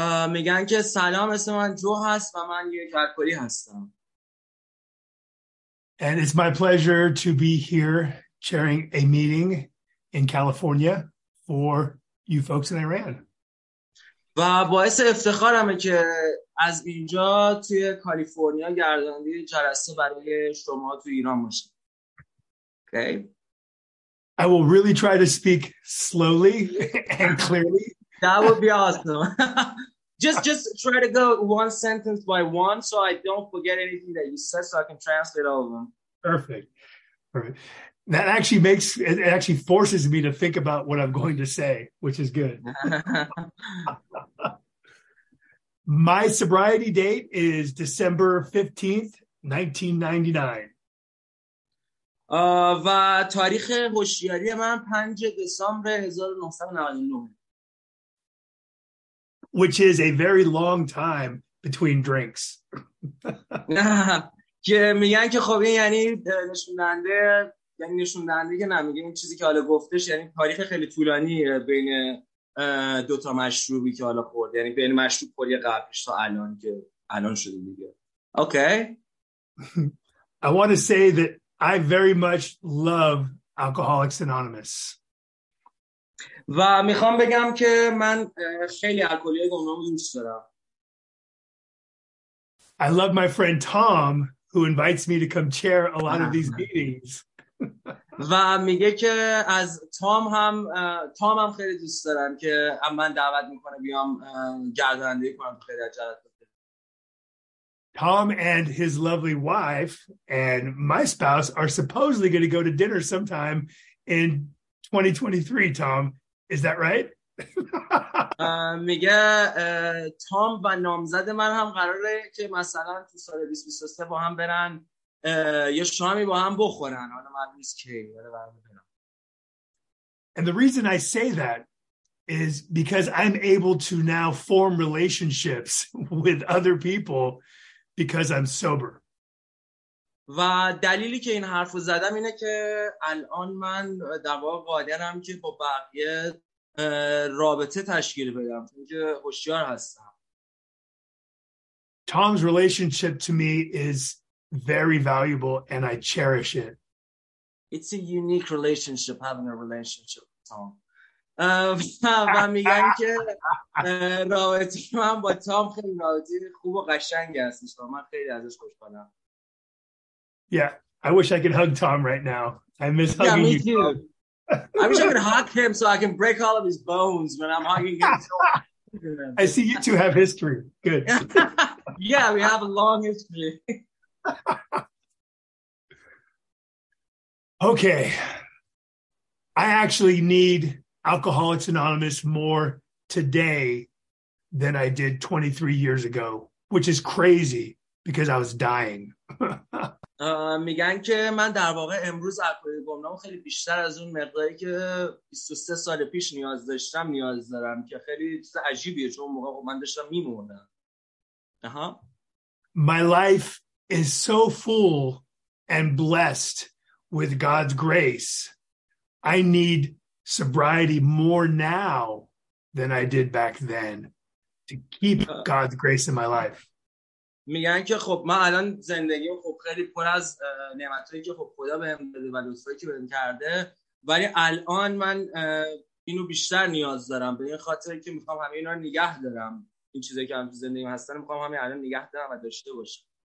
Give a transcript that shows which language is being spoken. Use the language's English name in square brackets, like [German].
[Persian] میگن که سلام، اسم من جو هست و من یک الکلی هستم. [English] And it's my pleasure to be here chairing a meeting in California for you folks in Iran. [Persian] و باعث افتخارمه که از اینجا توی کالیفرنیا گردانده جلسه برای شما تو ایران باشم. [English] Okay. I will really try to speak slowly and clearly. That would be awesome. just try to go one sentence by one so I don't forget anything that you said so I can translate all of them. Perfect. Perfect. That actually makes it actually forces me to think about what I'm going to say, which is good. My sobriety date is December 15th, 1999. [Persian] و تاریخ هوشیاری من 5 دسامبر 1999. [English] Which is a very long time between drinks. [Persian] که میگن که خب این یعنی نشوندنده که نمیگن این چیزی که حالا گفتش، یعنی تاریخ خیلی طولانی بین دوتا مشروبی که حالا خورد، یعنی بین مشروب خوری قبلش تا الان که الان شده دیگه. [English] Okay. I want to say that I very much love Alcoholics Anonymous. [Persian] و میخوام بگم که من خیلی الکلی های گمنام دوست دارم. [English] I love my friend Tom who invites me to come chair a lot of these meetings. [Persian] و میگه که از تام هم خیلی دوست دارم که من دعوت میکنه بیام گردانندگی کنم خیلی از جلسات. [English] Tom and his lovely wife and my spouse are supposedly going to go to dinner sometime in 2023, Tom. Is that right? [Persian] میگه تام و نامزد من هم قراره که مثلا تو سال 2023 با هم برن یه شامی با هم بخورن. حالا معلوم نیست کی. [English] And the reason I say that is because I'm able to now form relationships with other people because I'm sober. [Persian] و دلیلی که این حرف رو زدم اینه که الان من در واقع قادرم که با بقیه رابطه تشکیل بدم چون که هوشیار هستم. [English] Tom's relationship to me is very valuable and I cherish it. It's a unique relationship having a relationship with Tom. [Persian] و میگن که رابطه من با تام خیلی رابطه خوب و قشنگی هستش و من خیلی ازش خوشحالم. [English] Yeah, I wish I could hug Tom right now. I miss hugging you. Yeah, me you. Too. I wish I could hug him so I can break all of his bones when I'm hugging him. I see you two have history. Good. Yeah, we have a long history. Okay. I actually need Alcoholics Anonymous more today than I did 23 years ago, which is crazy because I was dying. [Persian] میگن که من در واقع امروز الکلی گمنام خیلی بیشتر از اون مقداری که 23 سال پیش نیاز داشتم نیاز دارم، که خیلی چیز عجیبیه چون موقع من داشتم میمردم. آها. [English] My life is so full and blessed with God's grace. I need sobriety more now than I did back then to keep God's grace in my life. [Persian] میگن که خب من الان زندگیم خب خیلی پر از نعمتایی که خب خدا بهم داده و لطفایی که بهم کرده، ولی الان من اینو بیشتر نیاز دارم به این خاطر که میخوام همه اینا رو نگه دارم، این چیزایی که هم تو زندگیم هستن میخوام همه الان نگه دارم و داشته باشم.